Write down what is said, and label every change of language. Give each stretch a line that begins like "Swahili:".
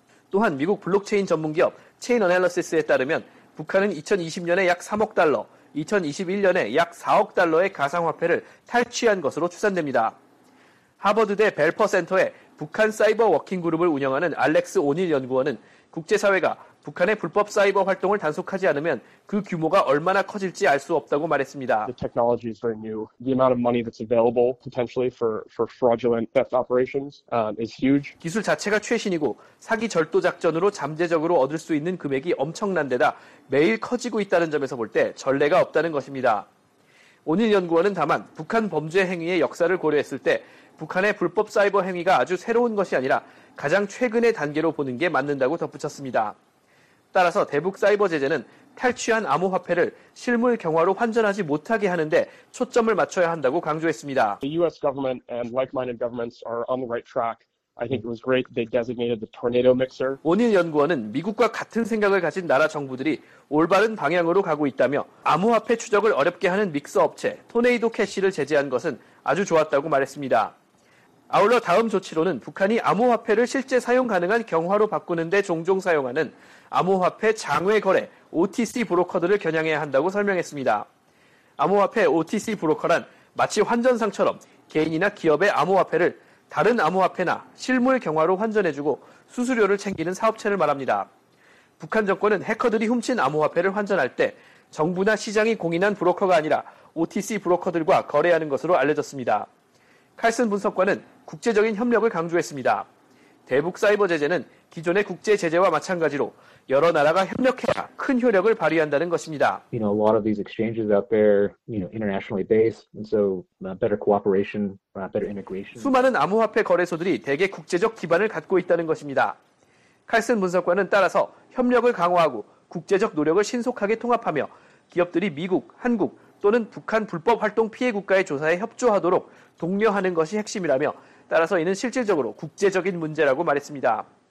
Korean: 또한 미국 블록체인 전문기업 체인 어널리시스에 따르면 북한은 2020년에 약 3억 달러, 2021년에 약 4억 달러의 가상화폐를 탈취한 것으로 추산됩니다. 하버드대 벨퍼센터에 북한 사이버 워킹그룹을 운영하는 알렉스 오닐 연구원은 국제사회가 북한의 불법 사이버 활동을 단속하지 않으면 그 규모가 얼마나 커질지 알 수 없다고 말했습니다.
English: The technology is very new. The amount of money that's available potentially for fraudulent theft operations is huge.
Korean: 기술 자체가 최신이고 사기 절도 작전으로 잠재적으로 얻을 수 있는 금액이 엄청난 데다 매일 커지고 있다는 점에서 볼 때 전례가 없다는 것입니다. 오닐 연구원은 다만 북한 범죄 행위의 역사를 고려했을 때 북한의 불법 사이버 행위가 아주 새로운 것이 아니라 가장 최근의 단계로 보는 게 맞는다고 덧붙였습니다. 따라서 대북 사이버 제재는 탈취한 암호화폐를 실물 경화로 환전하지 못하게 하는 데 초점을 맞춰야 한다고 강조했습니다.
English: The US government and like-minded governments are on the right track. I think it was great they designated the tornado mixer.
Korean: 오닐 연구원은 미국과 같은 생각을 가진 나라 정부들이 올바른 방향으로 가고 있다며 암호화폐 추적을 어렵게 하는 믹서 업체 토네이도 캐시를 제재한 것은 아주 좋았다고 말했습니다. 아울러 다음 조치로는 북한이 암호화폐를 실제 사용 가능한 경화로 바꾸는 데 종종 사용하는 암호화폐 장외 거래 OTC 브로커들을 겨냥해야 한다고 설명했습니다. 암호화폐 OTC 브로커란 마치 환전상처럼 개인이나 기업의 암호화폐를 다른 암호화폐나 실물 경화로 환전해주고 수수료를 챙기는 사업체를 말합니다. 북한 정권은 해커들이 훔친 암호화폐를 환전할 때 정부나 시장이 공인한 브로커가 아니라 OTC 브로커들과 거래하는 것으로 알려졌습니다. 칼슨 분석관은 국제적인 협력을 강조했습니다. 대북 사이버 제재는 기존의 국제 제재와 마찬가지로 여러 나라가 협력해야 큰 효력을 발휘한다는 것입니다.
English: You know, a lot of these exchanges out there, you know, internationally based, and so better cooperation, better integration.
Korean: 수많은 암호화폐 거래소들이 대개 국제적 기반을 갖고 있다는 것입니다. 칼슨 분석관은 따라서 협력을 강화하고 국제적 노력을 신속하게 통합하며 기업들이 미국, 한국 또는 북한 불법 활동 피해 국가의 조사에 협조하도록 독려하는 것이 핵심이라며 따라서 이는 실질적으로 국제적인 문제라고 말했습니다.